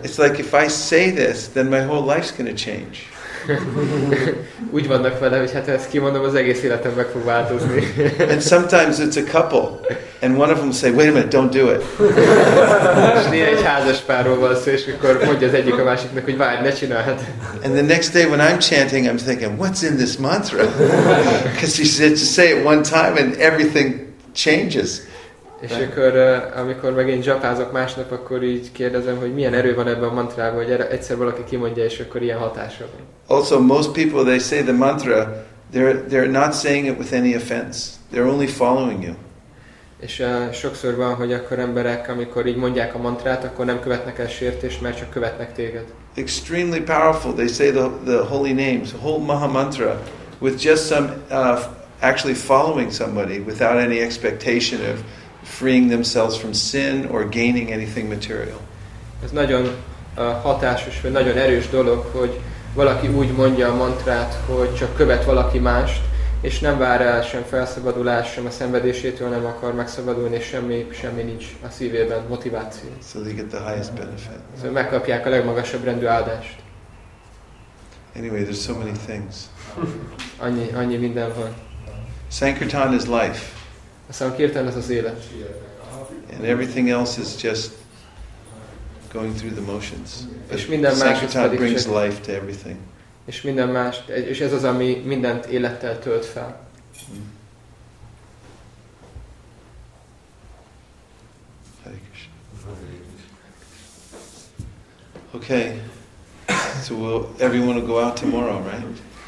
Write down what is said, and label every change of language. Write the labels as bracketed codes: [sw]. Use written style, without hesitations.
[en] It's like if I say this, then my whole life's going to change. [hu] Úgy vannak vele, hogy hát ezt kimondom, az egész életem meg fog változni. [en] And sometimes it's a couple, and one of them say, wait a minute, don't do it. [hu] És néha egy házas párról van szó, és akkor mondja az egyik a másiknak, hogy várj, ne csináld. [en] And the next day when I'm chanting, I'm thinking, what's in this mantra? Because he said to say it one time, and everything changes. [hu] És akkor, amikor meg én japázok másnap, akkor így kérdezem, hogy milyen erő van ebben a mantrában, hogy egyszer valaki kimondja, és akkor ilyen hatása van. [en] Also, most people, they say the mantra, they're not saying it with any offense. They're only following you. [hu] És sokszor van, hogy akkor emberek, amikor így mondják a mantrát, akkor nem követnek el sértést, mert csak követnek téged. [en] Extremely powerful. They say the holy names, whole maha mantra, with just some, actually following somebody, without any expectation of freeing themselves from sin or gaining anything material. [hu] Ez nagyon hatásos, vagy nagyon erős dolog, hogy valaki úgy mondja a mantrát, hogy csak követ valaki mást, és nem vár el sem felszabadulás, sem a szenvedésétől, nem akar megszabadulni, és semmi nincs a szívében motiváció. [en] So they get the highest benefit. [hu] So megkapják a legmagasabb rendű áldást. [en] Anyway, there's so many things. [hu] Annyi minden van. [en] Sankirtan is life. [hu] A Sankirtan az az élet. [en] And everything else is just going through the motions. [hu] És minden más [en] Sankirtan brings csak life to everything. [hu] És minden más, és ez az, ami mindent élettel tölt fel. [en] Hare Krishna. Okay. So everyone will go out tomorrow, right?